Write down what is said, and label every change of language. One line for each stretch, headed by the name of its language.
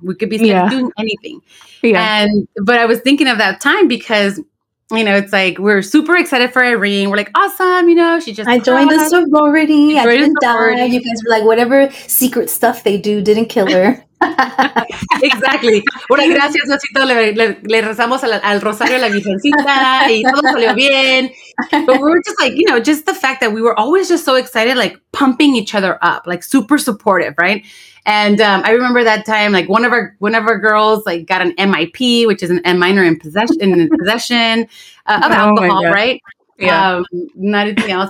English: We could be doing anything. Yeah. And but I was thinking of that time because, you know, it's like we're super excited for Irene. We're like, awesome, you know, she just I joined the sorority. I didn't die. You guys were like, whatever secret stuff they do didn't kill her. Exactly.
Spanish: Gracias, Osito. Le rezamos al Rosario la Virgencita y todo salió bien.
English: But we were just like, you know, just the fact that we were always just so excited, like pumping each other up, like super supportive, right? And I remember that time, like one of our girls like got an MIP, which is an M minor in possession of alcohol, right? Yeah. Not anything else.